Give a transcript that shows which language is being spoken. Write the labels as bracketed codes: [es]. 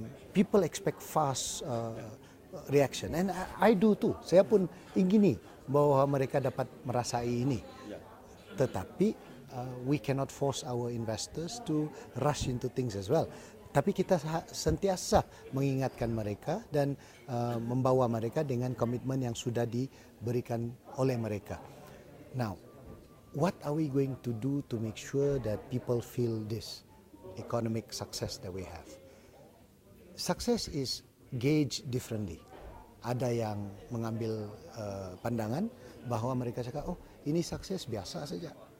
[en] People expect fast reaction, and I do too. [ms] Saya pun ingini bahwa mereka dapat merasai ini. Tetapi [en] we cannot force our investors to rush into things as well. [ms] Tapi kita sentiasa mengingatkan mereka dan membawa mereka dengan komitmen yang sudah diberikan oleh mereka. [en] Now, what are we going to do to make sure that people feel this economic success that we have? Success is gauged differently. [ms] Ada yang mengambil pandangan bahwa mereka cakap, oh ini sukses biasa saja.